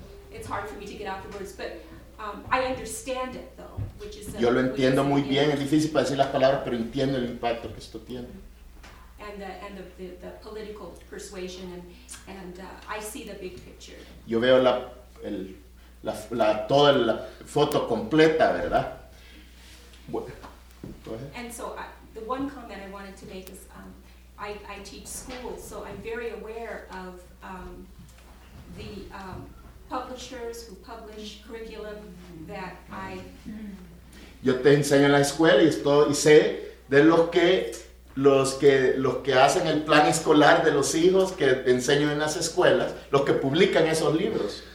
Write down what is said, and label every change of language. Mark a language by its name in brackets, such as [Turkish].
[English] It's hard for me to get out the words, but I understand it, though, which is. [Spanish] Yo lo entiendo muy bien. Es difícil para decir las palabras, pero entiendo el impacto que esto tiene. [English] And the political persuasion and I see the big picture. [Spanish] Yo veo la foto completa, ¿verdad? [English] Bueno, and so the one comment I wanted to make is I teach school, so I'm very aware of the publishers who publish curriculum that I. [Spanish] Yo te enseño en la escuela y sé de los que hacen el plan escolar de los hijos que te enseño en las escuelas, los que publican esos libros.